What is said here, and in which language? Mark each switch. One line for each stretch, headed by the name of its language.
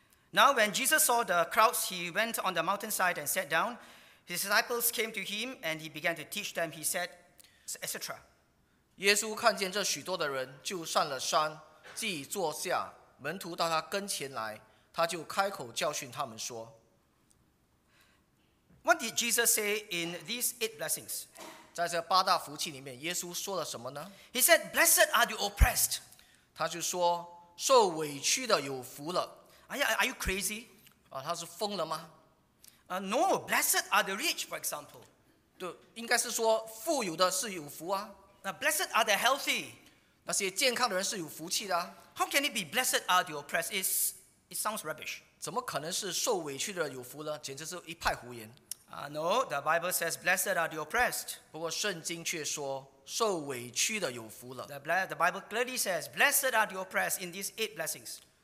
English: Now when Jesus saw the crowds, he went on the mountainside and sat down. His disciples came to him, and he began to teach them. He said, etc.
Chinese: 耶稣看见这许多的人，就上了山，自己坐下。门徒到他跟前来，他就开口教训他们说，
English: What did Jesus say in these eight blessings?
Chinese: 在这八大福气里面，耶稣说了什么呢？
English: He said, blessed are the oppressed.
Chinese: 他就说，受委屈的有福了。
English: Are you crazy?
Chinese: 他是疯了吗？
English: No, blessed are the rich, for example.
Chinese: 对，应该是说富有的是有福啊。
English: Now, blessed are the healthy.
Chinese: 那些健康的人是有福气的啊。
English: How can it be blessed are the oppressed? It sounds rubbish.
Chinese: 怎么可能是受委屈的有福呢？简直是一派胡言。
English: No, the Bible says blessed are the oppressed.
Chinese: 不过圣经却说受委屈的有福了。
English: The Bible clearly says blessed are the oppressed in these eight blessings.